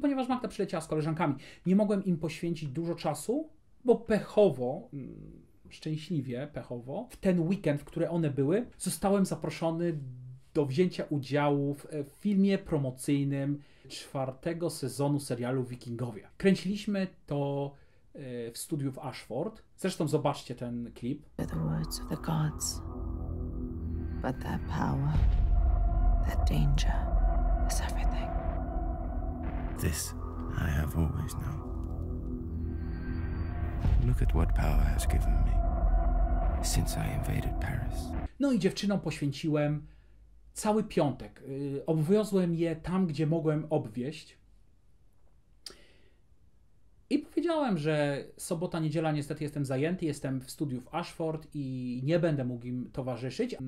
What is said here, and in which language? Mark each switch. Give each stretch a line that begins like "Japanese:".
Polish: Ponieważ Magda przyleciała z koleżankami. Nie mogłem im poświęcić dużo czasu, bo pechowo, szczęśliwie pechowo, w ten weekend, w który one były, zostałem zaproszony do wzięcia udziału w filmie promocyjnym 4. sezonu serialu Wikingowie. Kręciliśmy to w studiu w Ashford. Zresztą zobaczcie ten klip.
English: The words of the gods, but their power. That danger is everything. This I have always known. Look at what power has given me since I invaded Paris.
Polish: No i dziewczynom poświęciłem cały piątek. Obwiozłem je tam, gdzie mogłem obwieźć. I powiedziałem, że sobota, niedziela niestety jestem zajęty, jestem w studiu w Ashford i nie będę mógł im towarzyszyć.